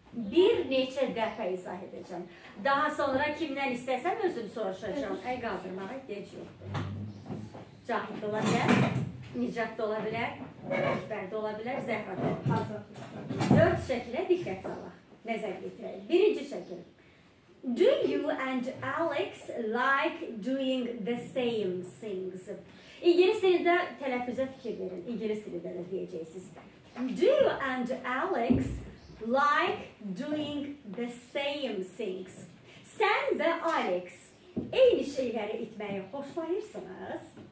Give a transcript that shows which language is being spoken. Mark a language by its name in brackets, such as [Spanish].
[Azerbaijani] Bir neçə dəfə izah edəcəm. Daha sonra kimdən istəsəm özüm soruşacağım. Ay, qaldırmağa gec yoxdur. Cahid ola bilər, Nicat da ola bilər. Əkbər də ola bilər, Zəhrə də hazır. Dörd şəkilə diqqət salaq, nəzər getirək. Birinci şəkil. [English] Do you and Alex like doing the same things? [Azerbaijani] İngilis dilində tələffüzə fikir verin, İngilis dilində də deyəcəksiniz. [English] Do you and Alex like doing the same things? [Azerbaijani] Sən və Alex eyni şeyləri etməyi xoşlayırsınız.